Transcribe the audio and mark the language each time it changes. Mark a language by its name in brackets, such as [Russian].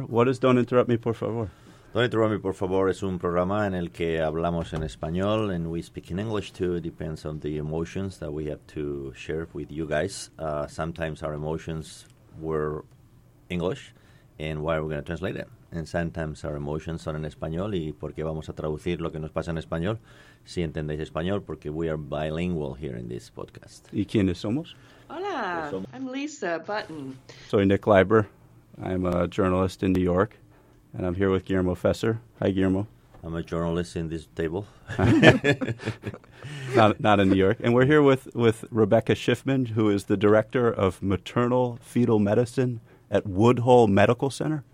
[English] What is Don't Interrupt Me, Por Favor? [Spanish] Don't Interrupt Me, Por Favor es un programa en el que hablamos en español, [English] and we speak in English too. It depends on the emotions that we have to share with you guys. Sometimes our emotions were English, and why are we going to translate it? And sometimes our emotions are in [Spanish] español, y por qué vamos a traducir lo que nos pasa en español si entendéis español, porque [English] we are bilingual here in this podcast. [Spanish] ¿Y quiénes somos? [English] Hola, I'm Lisa Button. [Spanish] Soy Nick Leiber. [English] I'm a journalist in New York. And I'm here with Guillermo Fesser. Hi, Guillermo. I'm a journalist in this table. not in New York. And we're here with Rebecca Schiffman, who is the director of maternal fetal medicine at Woodhull Medical Center.